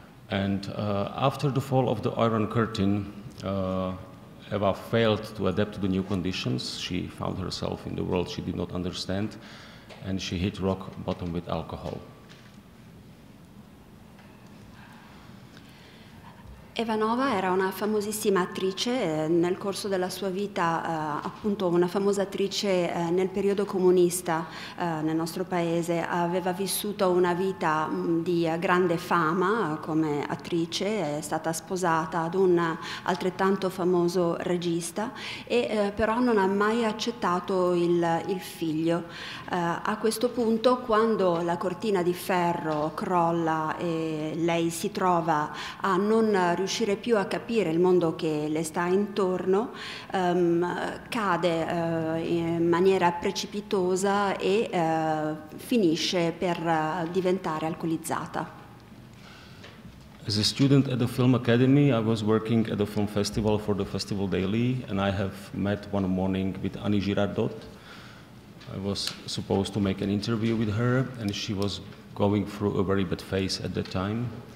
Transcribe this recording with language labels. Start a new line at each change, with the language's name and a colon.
English: And after the fall of the Iron Curtain, Eva failed to adapt to the new conditions. She found herself in the world she did not understand, and she hit rock bottom with alcohol.
Italian: Evanova era una famosissima attrice nel corso della sua vita, appunto una famosa attrice nel periodo comunista nel nostro paese. Aveva vissuto una vita di grande fama come attrice, è stata sposata ad un altrettanto famoso regista e però non ha mai accettato il figlio. A questo punto, quando la cortina di ferro crolla e lei si trova a non riuscire più a capire il mondo che le sta intorno, cade in maniera precipitosa e finisce per diventare alcolizzata.
English: As a student at the Film Academy, I was working at the film festival for the Festival Daily, and I have met one morning with Annie Girardot. I was supposed to make an interview with her, and she was going through a very bad phase at that time.